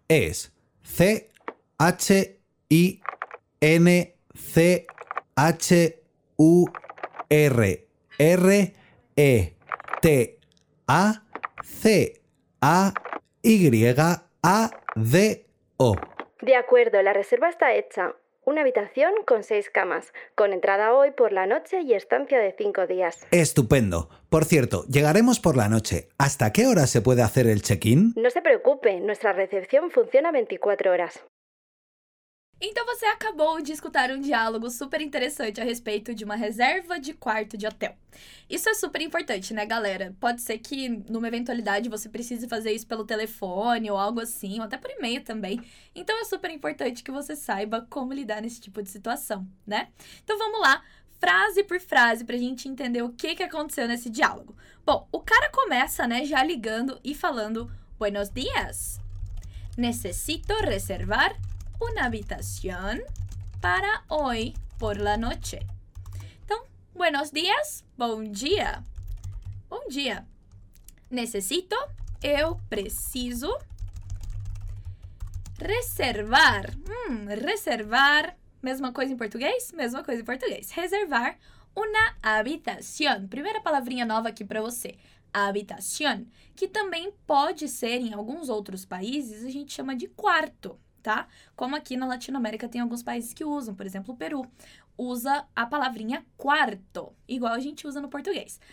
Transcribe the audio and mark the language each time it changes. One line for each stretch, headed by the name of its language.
Spanish: Es Chinchurreta Callado. De acuerdo, la reserva está hecha. Una habitación con 6 camas, con entrada hoy por la noche y estancia de 5 días. Estupendo. Por cierto, llegaremos por la noche. ¿Hasta qué hora se puede hacer el check-in? No se preocupe, nuestra recepción funciona 24 horas.
Portuguese: Então você acabou de escutar um diálogo super interessante a respeito de uma reserva de quarto de hotel. Isso é super importante, né, galera? Pode ser que numa eventualidade você precise fazer isso pelo telefone ou algo assim, ou até por e-mail também. Então é super importante que você saiba como lidar nesse tipo de situação, né? Então vamos lá, frase por frase, pra gente entender o que, que aconteceu nesse diálogo. Bom, o cara começa, né, já ligando e falando:
Spanish: Buenos días, necesito reservar una habitación para hoy por la noche.
Portuguese: Então,
Spanish: buenos días,
Portuguese: bom dia. Bom dia. Necesito, eu preciso reservar. Reservar, mesma coisa em português? Mesma coisa em português.
Spanish: Reservar una habitación.
Portuguese: Primeira palavrinha nova aqui para você. Habitación, que também pode ser, em alguns outros países, a gente chama de quarto. Tá? Como aqui na Latinoamérica tem alguns países que usam, por exemplo, o Peru usa a palavrinha quarto, igual a gente usa no português.